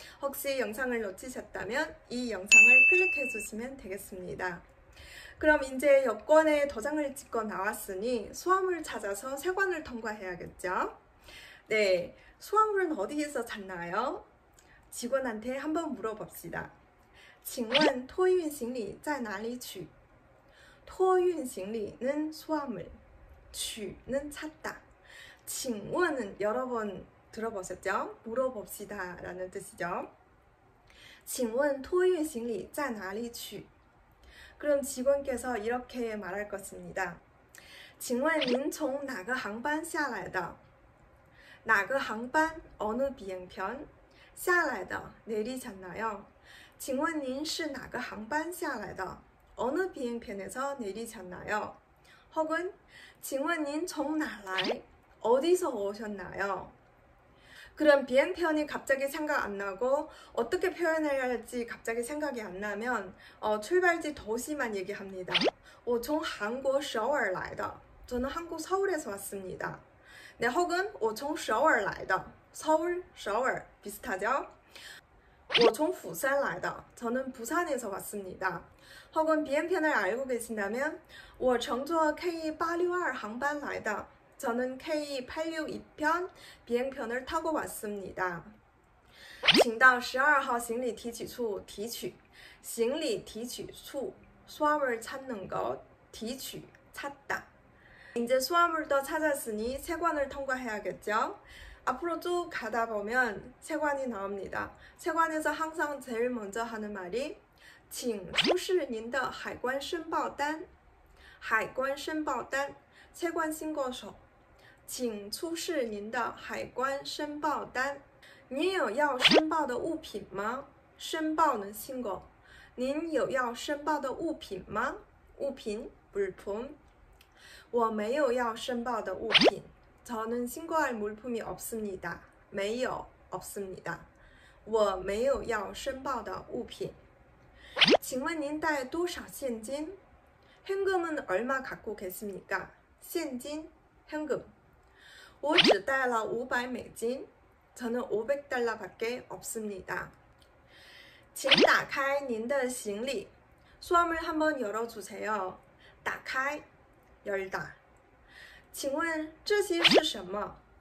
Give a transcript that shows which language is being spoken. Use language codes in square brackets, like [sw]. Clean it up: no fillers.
[ko] 혹시 영상을 놓치셨다면 이 영상을 클릭해 주시면 되겠습니다. 그럼 이제 여권에 도장을 찍고 나왔으니 수화물을 찾아서 세관을 통과해야겠죠? 네, 수화물은 어디에서 찾나요? 직원한테 한번 물어봅시다. [zh] 请问 托运行李 在哪里取? [ko] 托运行李는 수화물, 取는 찾다. 请问은 여러 번 들어보셨죠? 물어봅시다라는 뜻이죠. [zh] 请问 托运行李 在哪里取? [ko] 그럼 직원께서 이렇게 말할 것입니다. [zh] 请问您从哪个航班下来的? 哪个航班? [ko] 어느 비행편? [zh] 下来的? [ko] 내리셨나요? [zh] 请问您是哪个航班下来的? [ko] 어느 비행편에서 내리셨나요? 혹은 [zh] 请问您从哪来? [ko] 어디서 오셨나요? 그럼 비행편이 갑자기 생각 안 나고 어떻게 표현해야 할지 갑자기 생각이 안 나면 출발지 도시만 얘기합니다. [zh] 我从韩国首尔来的. [ko] 저는 한국 서울에서 왔습니다. 네, 혹은 [zh] 我从首尔来的. [ko] 서울, 首尔 비슷하죠? [zh] 我从釜山来的. [ko] 저는 부산에서 왔습니다. 혹은 비행편을 알고 계신다면 [zh] 我乘坐 K862航班来的. [ko] 저는 K862편 비행편을 타고 왔습니다. [zh] 请到 12号行李提取处 提取. [ko] 行李提取处 수화물 찾는 것 提取 찾다. 이제 수화물도 찾았으니 세관을 통과해야겠죠? 앞으로 쭉 가다 보면 세관이 나옵니다. 세관에서 항상 제일 먼저 하는 말이 [zh] 请出示您的海关申报单. 海关申报单 [ko] 세관 신고서. [zh] 请出示您的海关申报单。您有要申报的物品吗？申报能信过。您有要申报的物品吗？物品물품。我没有要申报的物品。 [ko] 저는신고할 물품이 없습니다。 [zh] 没有，없습니다。 我没有要申报的物品。请问您带多少现金？ [ko] 현금은얼마갖고계십니까？ [zh] 现金，현금。我只带了500美金， [ko] 저는500달러밖에 없습니다. [zh] 请打开您的行李， [ko] 수화물 한번 열어주세요. [zh] 打开，열다。 请问这些是什么？